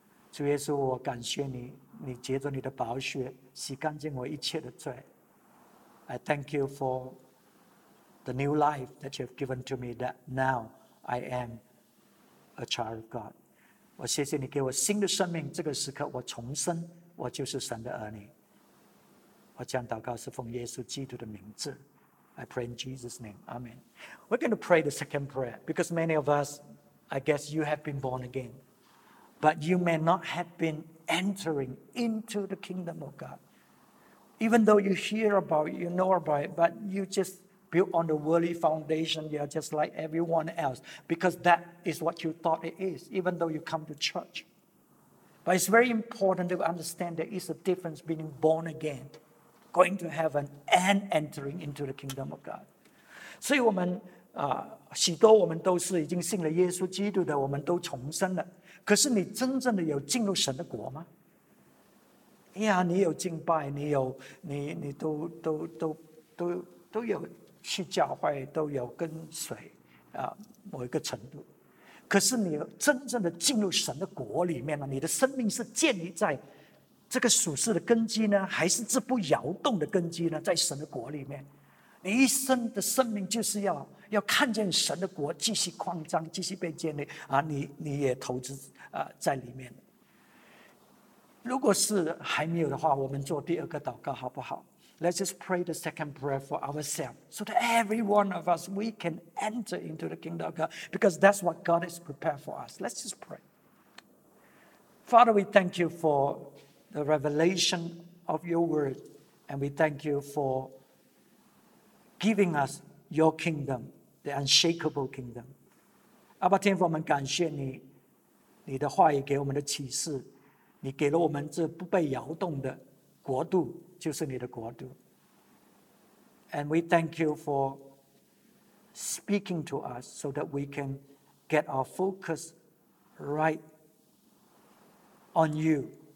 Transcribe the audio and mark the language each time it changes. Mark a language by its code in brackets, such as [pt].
[zh] 主耶稣，我感谢你，你藉着你的宝血洗干净我一切的罪。 [en] I thank you for the new life that you have given to me, that now I am a child of God. [zh] 我谢谢你给我新的生命，这个时刻我重生，我就是神的儿女。我这样祷告是奉耶稣基督的名字。 [en] I pray in Jesus' name. Amen. We're going to pray the second prayer because many of us, I guess you have been born again, but you may not have been entering into the kingdom of God. Even though you hear about it, you know about it, but you just built on the worldly foundation. You're just like everyone else because that is what you thought it is, even though you come to church. But it's very important to understand there is a difference between born again, going to heaven, and entering into the kingdom of God. [zh] 所以我们许多我们都是已经信了耶稣基督的，我们都重生了。可是你真正的有进入神的国吗？呀，你有敬拜，你都有去教会，都有跟随某一个程度。可是你真正的进入神的国里面呢？你的生命是建立在这个属世的根基呢，还是这不摇动的根基呢？在神的国里面，你一生的生命就是要看见神的国继续扩张，继续被建立啊！你也投资在里面。如果是还没有的话，我们做第二个祷告好不好 [en] ？Let's just pray the second prayer for ourselves, so that every one of us we can enter into the kingdom of God, because that's what God has prepared for us. Let's just pray. Father, we thank you for the revelation of your word, and we thank you for giving us your kingdom, the unshakable kingdom. [zh] 阿爸天父，我们感谢你，你的话语给我们的启示，你给了我们这不被摇动的国度，就是你的国度。 [en] And we thank you for speaking to us so that we can get our focus right on you.